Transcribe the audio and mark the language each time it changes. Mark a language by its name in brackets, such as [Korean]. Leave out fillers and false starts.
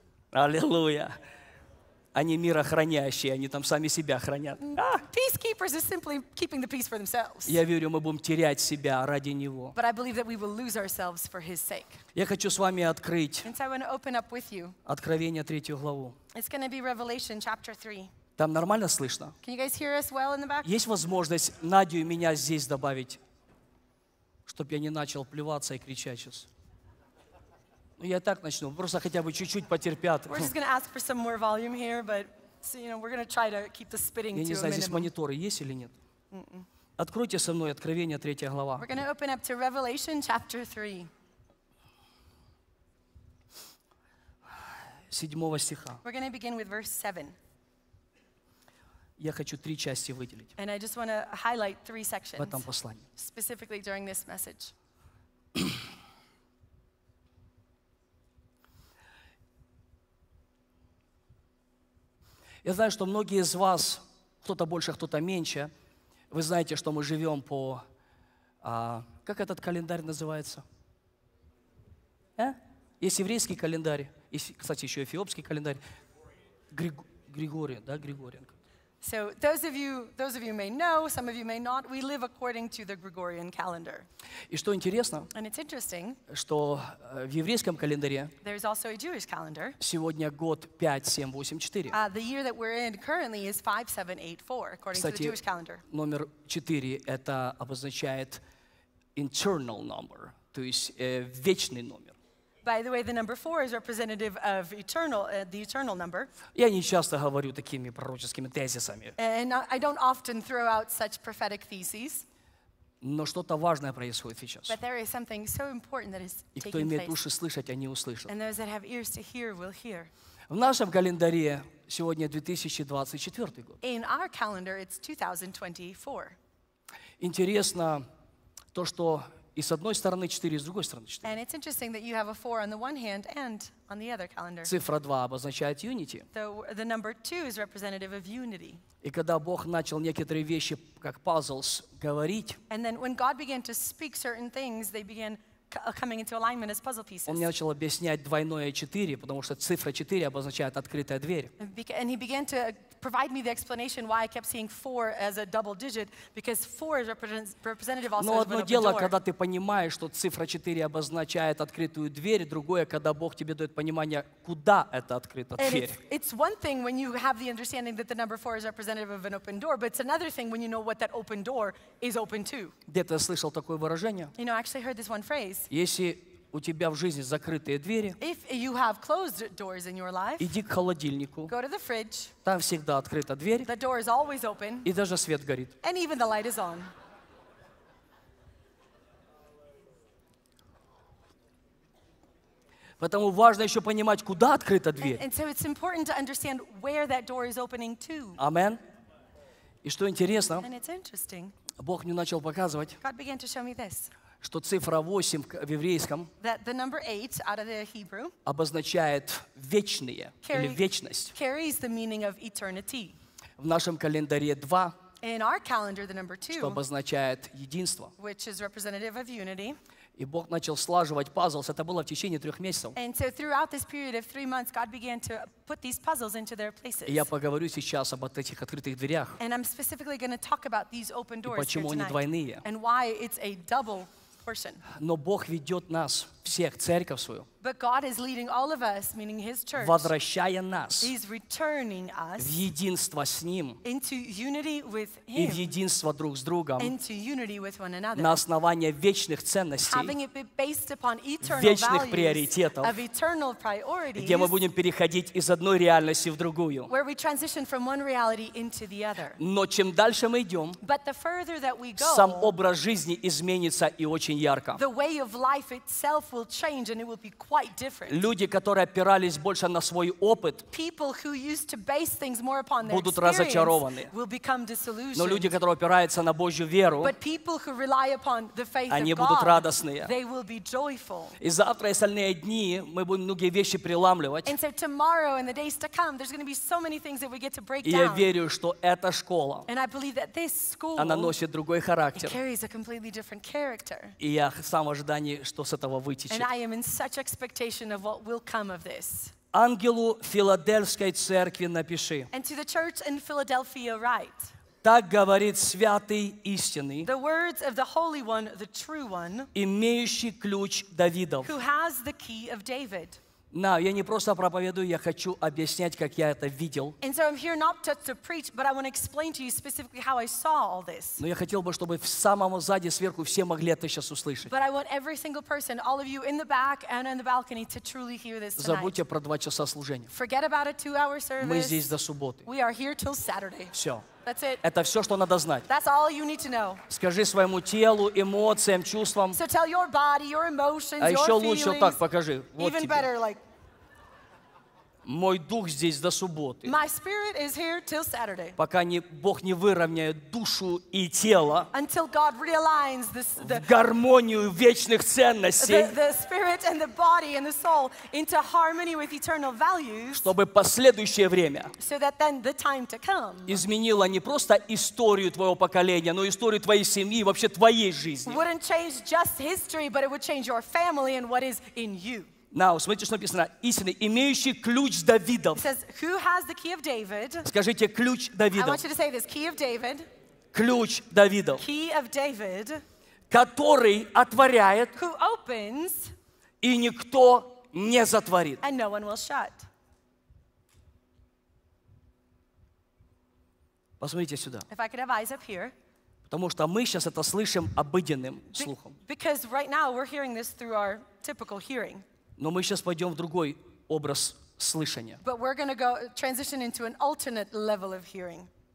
[Russian] Аллилуйя. Они мирохранящие, они там сами себя хранят. [English] Peacekeepers are simply keeping the peace for themselves. [Russian] Я верю, мы будем терять себя ради Него. [English] But I believe that we will lose ourselves for His sake. [Russian] Я хочу с вами открыть. [English] And so I want to open up with you. [Russian] Откровение 3 главу. [English] It's going to be Revelation chapter 3. [Russian] Там нормально слышно? [English] Can you guys hear us well in the back? [Russian] Есть возможность Надю и меня здесь добавить, чтобы я не начал плеваться и кричать сейчас? Я так начну, просто хотя бы чуть-чуть потерпят. [English] We're just going to ask for some more volume here, but so, you know, we're going to try to keep the spitting to a minimum. [Russian] Я не знаю, здесь мониторы есть или нет. Откройте со мной Откровение 3 глава. [English] We're going to open up to Revelation chapter 3. [Russian] 7 стиха. [English] We're going to begin with verse 7. [Russian] Я хочу три части выделить. [English] And I just want to highlight three sections. [Russian] В этом послании. [English] Specifically during this message. [Russian] Я знаю, что многие из вас, кто-то больше, кто-то меньше, вы знаете, что мы живем по... как этот календарь называется? Есть еврейский календарь, есть, кстати, еще эфиопский календарь. Григориан, да, Григориан. [English] So, those of you may know, some of you may not, we live according to the Gregorian calendar. [Russian] И что интересно, [English] and it's interesting, [Russian] что в еврейском календаре [English] there's also a Jewish calendar. [Russian] Сегодня год 5784. [English] The year that we're in currently is 5784, according [Russian] кстати, [English] to the Jewish calendar. [Russian] Номер 4 — это обозначает [English] internal number, [Russian] то есть вечный номер. [English] By the way, the number 4 is representative of eternal, the eternal number. [Russian] Я не часто говорю такими пророческими тезисами. [English] And I don't often throw out such prophetic theses. [Russian] Но что-то важное происходит сейчас. [English] But there is something so important that is taking place. [Russian] И кто имеет уши слышать, они услышат. [English] And those that have ears to hear will hear. [Russian] В нашем календаре сегодня 2024 год. [English] In our calendar, it's 2024. [Russian] Интересно то, что и с одной стороны 4, и с другой стороны 4. [English] And it's interesting that you have a 4 on the one hand and on the other calendar. [Russian] Цифра 2 обозначает unity. [English] The number 2 is representative of unity. [Russian] И когда Бог начал некоторые вещи, как puzzles, говорить, [English] and then when God began to speak certain things, they began coming into alignment as puzzle pieces. [Russian] Он мне начал объяснять двойное 4, потому что цифра 4 обозначает открытая дверь. [English] And he began to provide me the explanation why I kept seeing 4 as a double digit, because 4 is representative also of the [Russian] door. Но одно дело, когда ты понимаешь, что цифра 4 обозначает открытую дверь, другое, когда Бог тебе дает понимание, куда это открыта дверь. [English] And it's one thing when you have the understanding that the number 4 is representative of an open door, but it's another thing when you know what that open door is open to. [Russian] Где-то я слышал такое выражение. [English] You know, I actually heard this one phrase. [Russian] Если у тебя в жизни закрытые двери, [English] if you have closed doors in your life, [Russian] иди к холодильнику. [English] Go to the fridge. [Russian] Там всегда открыта дверь. [English] The door is always open. [Russian] И даже свет горит. [English] And even the light is on. [Russian] Поэтому важно еще понимать, куда открыта дверь. [English] And so it's important to understand where that door is opening to. [Russian] Amen. И что интересно, [English] and it's interesting, [Russian] Бог мне начал показывать, [English] God began to show me this, [Russian] что цифра 8 в еврейском [English] Hebrew, [Russian] обозначает вечные или вечность. [English] Carries the meaning of eternity. [Russian] В нашем календаре 2, [English] In our calendar, the number two, [Russian] что обозначает единство. [English] Which is representative of unity. [Russian] И Бог начал слаживать пазлы. Это было в течение трех месяцев. [English] And so throughout this period of 3 months, God began to put these puzzles into their places. [Russian] И я поговорю сейчас об этих открытых дверях. [English] And I'm specifically going to talk about these open doors. [Russian] И почему они двойные? [English] And why it's a double. [Russian] Но Бог ведет нас всех, церковь свою. [English] But God is leading all of us, meaning His church. [Russian] Возвращая нас. [English] He's returning us. [Russian] В единство с Ним. [English] Into unity with Him. [Russian] И в единство друг с другом. [English] Into unity with one another. [Russian] На основании вечных ценностей. [English] Having it based upon eternal [Russian] вечных приоритетов. [English] Of eternal priorities. [Russian] Где мы будем переходить из одной реальности в другую. [English] Where we transition from one reality into the other. [Russian] Но чем дальше мы идем. [English] But the further that we go. [Russian] Сам образ жизни изменится и очень ярко. [English] The way of life itself will change and it will be quite different. [Russian] Люди, которые опирались больше на свой опыт, [English] people who used to base things more upon their [Russian] будут разочарованы. [English] Will become disillusioned. [Russian] Но люди, которые опираются на Божью веру, [English] but people who rely upon the faith [Russian] они [English] of God, [Russian] будут радостные. [English] They will be joyful. [Russian] И завтра и остальные дни мы будем многие вещи преломливать. [English] And so tomorrow and the days to come, there's going to be so many things that we get to break down. [Russian] И я верю, что эта школа, [English] and I believe that this school, [Russian] она носит другой характер. [English] It carries a completely different character. [Russian] И я сам в ожидании, что с этого вытечет. [English] And I am in such expectation of what will come of this. [Russian] Ангелу Филадельфской церкви напиши. [English] And to the church in Philadelphia write. [Russian] Так говорит святый истинный. [English] The words of the holy one, the true one. [Russian] Имеющий ключ Давидов. [English] Who has the key of David. [Russian] No, я не просто проповедую, я хочу объяснять, как я это видел. [English] And so I'm here not just to preach, but I want to explain to you specifically how I saw all this. [Russian] Но я хотел бы, чтобы в самом сзади, сверху, все могли это сейчас услышать. [English] But I want every single person, all of you in the back and on the balcony, to truly hear this tonight. [Russian] Забудьте про два часа служения. [English] Forget about a two-hour service. [Russian] Мы здесь до субботы. [English] We are here till Saturday. [Russian] Все. [English] That's it. [Russian] Это все, что надо знать. [English] That's all you need to know. [Russian] Скажи своему телу, эмоциям, чувствам. [English] So tell your body, your emotions, [Russian] а [English] your [Russian] еще [English] feelings, [Russian] лучше так покажи. Вот [English] even [Russian] тебе. [English] Better, like, [Russian] мой дух здесь до субботы. [English] My spirit is here till Saturday. [Russian] Пока не, Бог не выровняет душу и тело. [English] Until God realigns this, the, [Russian] в гармонию вечных ценностей. [English] The spirit and the body and the soul into harmony with eternal values. [Russian] Чтобы последующее время. [English] So that then the time to come. [Russian] Изменило не просто историю твоего поколения, но историю твоей семьи и вообще твоей жизни. [English] Wouldn't change just history, but it would change your family and what is in you. [Russian] Now, смотрите, что написано. Истинный, имеющий ключ Давидов. [English] It says, who has the key of David? [Russian] Скажите, ключ Давидов. [English] I want you to say this, key of David. [Russian] Ключ Давидов. [English] Key of David. [Russian] Который отворяет. [English] Who opens. [Russian] И никто не затворит. [English] And no one will shut. [Russian] Посмотрите сюда. [English] If I could have eyes up here. [Russian] Потому что мы сейчас это слышим обыденным слухом. [English] Because right now we're hearing this through our typical hearing. [Russian] Но мы сейчас пойдем в другой образ слышания. [English] But we're going to go transition into an alternate level of hearing.